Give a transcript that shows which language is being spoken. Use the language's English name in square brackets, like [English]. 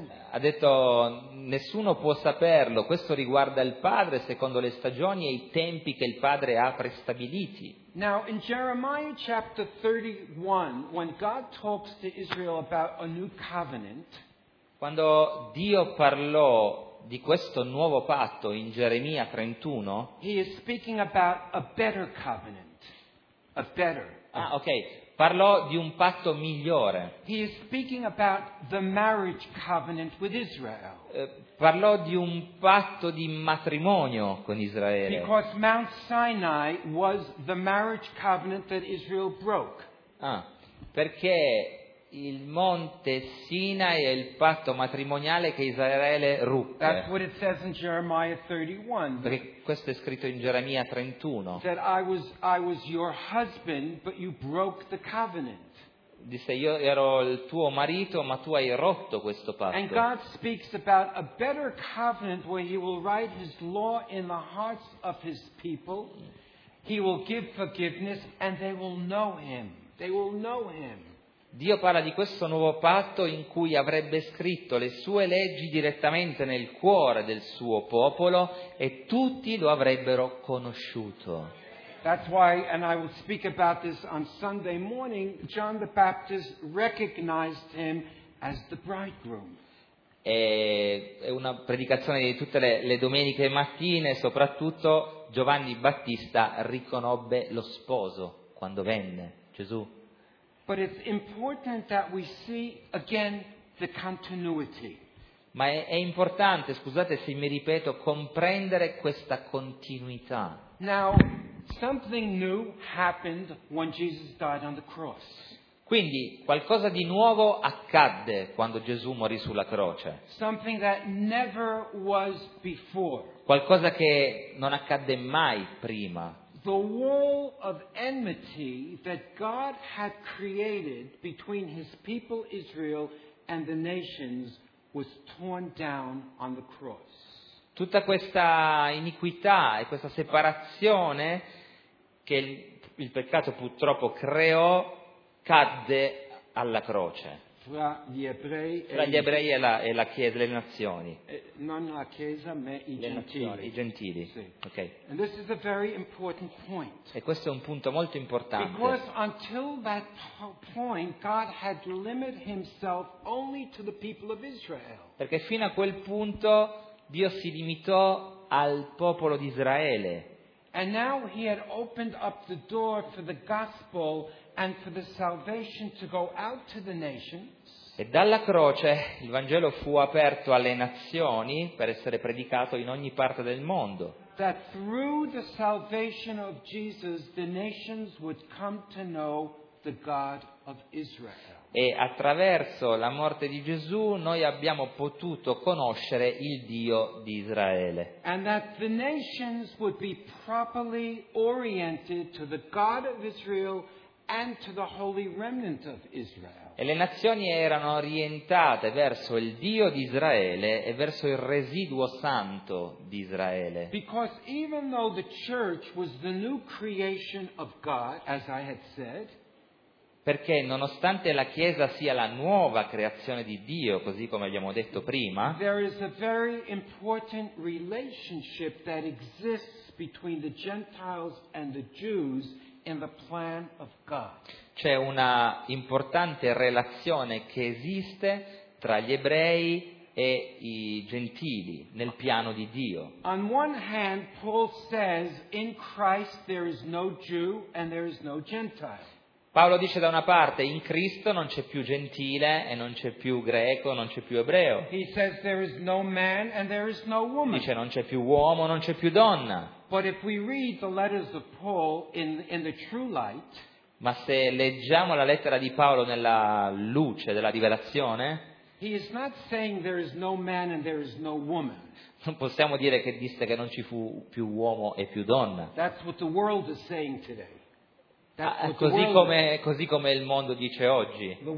[Italian] Ha detto: nessuno può saperlo, questo riguarda il Padre secondo le stagioni e i tempi che il Padre ha prestabiliti. [English] Now in Jeremiah chapter 31, when God talks to Israel about a new covenant, [Italian] quando Dio parlò di questo nuovo patto in Geremia 31, [English] he is speaking about a better covenant, a better. Ah, ok. [Italian] Parlò di un patto migliore. [English] He is speaking about the marriage covenant with Israel. [Italian] Parlò di un patto di matrimonio con Israele. [English] Because Mount Sinai was the marriage covenant that Israel broke. [Italian] Ah, perché il monte Sinai è il patto matrimoniale che Israele ruppe. [English] That's what it says in Jeremiah 31. [Italian] Perché questo è scritto in Geremia 31. [English] That I was your husband, but you broke the covenant. [Italian] Disse: io ero il tuo marito, ma tu hai rotto questo patto. [English] And God speaks about a better covenant where he will write his law in the hearts of his people. He will give forgiveness and they will know him. They will know him. [Italian] Dio parla di questo nuovo patto in cui avrebbe scritto le sue leggi direttamente nel cuore del suo popolo e tutti lo avrebbero conosciuto. [English] That's why, and I will speak about this on Sunday morning, John the Baptist recognized him as the bridegroom. [Italian] È una predicazione di tutte le domeniche mattine, soprattutto Giovanni Battista riconobbe lo sposo quando venne Gesù. [English] But it's important that we see again the continuity. [Italian] Ma è importante, scusate se mi ripeto, comprendere questa continuità. [English] Now, something new happened when Jesus died on the cross. [Italian] Quindi qualcosa di nuovo accadde quando Gesù morì sulla croce. [English] Something that never was before. [Italian] Qualcosa che non accadde mai prima. [English] The wall of enmity that God had created between his people Israel and the nations was torn down on the cross. [Italian] Tutta questa iniquità e questa separazione che il peccato purtroppo creò cadde alla croce. Fra gli ebrei e la chiesa, le nazioni. Non la chiesa, ma i gentili. Sì. Okay. [English] And this is a very important point. [Italian] E questo è un punto molto importante. [English] Because until that point, God had limited himself only to the people of Israel. [Italian] Perché fino a quel punto Dio si limitò al popolo di Israele. [English] And now he had opened up the door for the gospel and for the salvation to go out to the nations. [Italian] E dalla croce il Vangelo fu aperto alle nazioni per essere predicato in ogni parte del mondo. [English] That through the salvation of Jesus the nations would come to know the God of Israel. [Italian] E attraverso la morte di Gesù noi abbiamo potuto conoscere il Dio di Israele. [English] And that the nations would be properly oriented to the God of Israel and to the holy remnant of Israel. [Italian] E le nazioni erano orientate verso il Dio di Israele e verso il residuo santo di Israele. [English] Because even though the church was the new creation of God, as I had said, [Italian] perché nonostante la Chiesa sia la nuova creazione di Dio, così come abbiamo detto prima, [English] there is a very important relationship that exists between the Gentiles and the Jews in the plan of God. [Italian] C'è una importante relazione che esiste tra gli ebrei e i gentili nel piano di Dio. [English] On one hand, Paul says, in Christ there is no Jew and there is no Gentile. [Italian] Paolo dice da una parte, in Cristo non c'è più gentile e non c'è più greco, non c'è più ebreo. [English] He says there is no man and there is no woman. [Italian] Dice non c'è più uomo, non c'è più donna. [English] But if we read the letters of Paul in the true light, [Italian] ma se leggiamo la lettera di Paolo nella luce della rivelazione, [English] he is not saying there is no man and there is no woman. [Italian] Non possiamo dire che disse che non ci fu più uomo e più donna. [English] That's what the world is saying today. [Italian] Così come il mondo dice oggi.